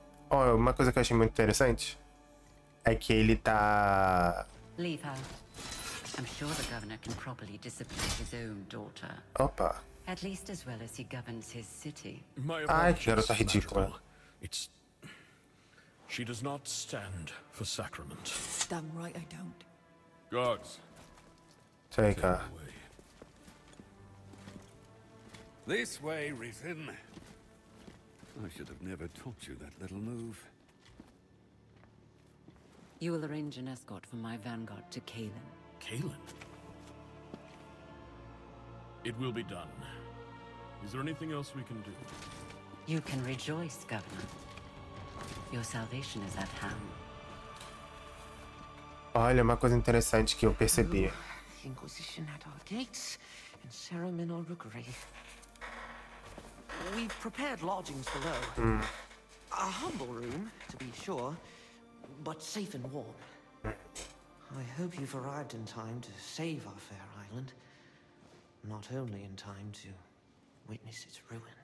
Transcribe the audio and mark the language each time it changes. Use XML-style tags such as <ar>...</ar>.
<pt>Oh, uma coisa que eu achei muito interessante é que ele tá.</pt> <en>Leave her. I'm sure the governor can properly discipline his own daughter. Opa. At least as well as he governs his city.</en> <pt>Ai, que garota ridícula.</pt> <en>It's. She does not stand for sacrament. Damn right I don't. Guards. Take her. This way, Rithin. I should have never taught you that little move. You will arrange an escort for my vanguard to Caelan. Caelan? It will be done. Is there anything else we can do? You can rejoice, Governor. Your salvation is at hand.</en> <pt>Olha, uma coisa interessante que eu percebi. Ooh.</pt> <en>Inquisition at our gates, and Serum in our rookery. We prepared lodgings below. A humble room, to be sure, but safe and warm. I hope you've arrived in time to save our fair island, not only in time to witness its ruin.</en>